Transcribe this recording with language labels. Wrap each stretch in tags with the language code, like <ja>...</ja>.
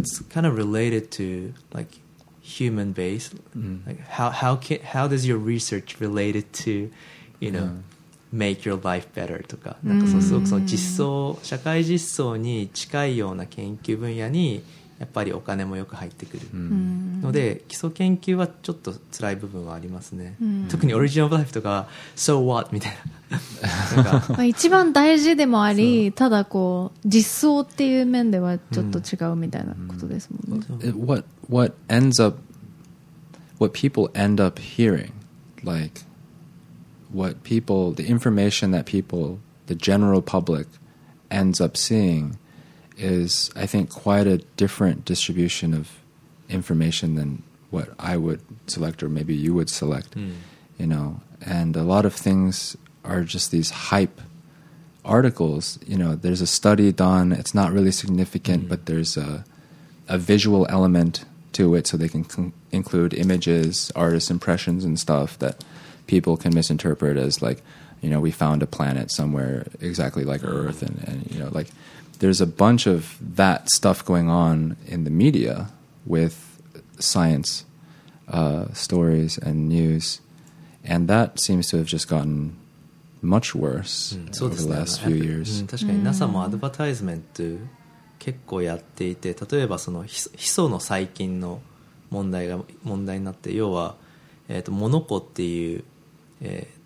<en>kind of related to like human base、like how does your research related to you know、make your life better</en> <ja>とか、 なんかそのすごくその実装、社会実装に近いような研究分野にやっぱりお金もよく入ってくるので基礎研究はちょっと辛い部分はありますね。特にオリジナルライフとか</ja> <en>So what?</en> <ja>みたいな、なんか一番大事でもあり、ただこう実装っていう面ではちょっと違うみたいなことですもんね。</ja> <en>What ends up what people end up hearing likeWhat people, the information that people, the general public, ends up seeing, is I think quite a different distribution of information than what I would select or maybe you would select, you know. And a lot of things are just these hype articles. You know, there's a study done; it's not really significant, but there's a visual element to it, so they can include images, artist impressions, and stuff that. People can misinterpret as like, you know, we found a planet somewhere exactly like Earth, and you know, like there's a bunch of that stuff going on in the media with science stories and news, and that seems to have just gotten much worse over the last few years.</en> <ja>確かに NASA もアドバタイズメント結構やっていて、例えばそのヒ素の細菌の問題になって、要はモノコっていうな</ja>